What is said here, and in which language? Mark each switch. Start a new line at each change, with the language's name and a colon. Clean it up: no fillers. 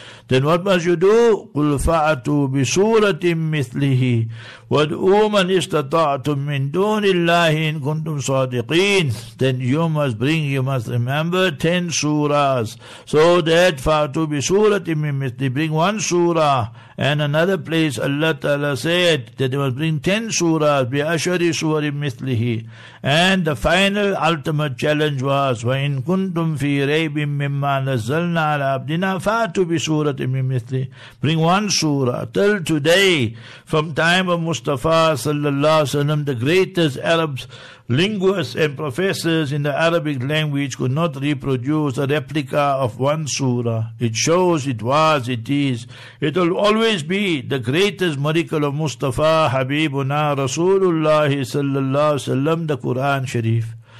English: Then what must you do?
Arabic: قُلْ فَأَتُوا بِسُورَةٍ مِثْلِهِ وَدْعُوا مَنْ إِسْتَطَعْتُمْ مِنْ دُونِ اللَّهِ إِنْ كُنْتُمْ صَادِقِينَ.
English: Then you must remember 10 surahs, so that
Arabic: فَأَتُوا بِسُورَةٍ مِنْ مِثْلِهِ,
English: bring one surah. And another place Allah Ta'ala said that they must bring 10 surahs,
Arabic: بِأَشْرِ سُورٍ مِثْلِهِ. And the final ultimate challenge was, وَإِنْ كُنْتُمْ فِي رَيْبٍ مِمَّا نَزَّلْنَا عَلَىٰ عَبْدِنَا فَأَتُوا بِسُورَةٍ,
English: bring one surah. Till today, from time of Mustafa sallallahu alaihi wasallam, the greatest Arabs, linguists and professors in the Arabic language could not reproduce a replica of one surah. It shows it was, it is, it will always be the greatest miracle of Mustafa Habibuna Rasulullah sallallahu alaihi wasallam, the Quran Sharif.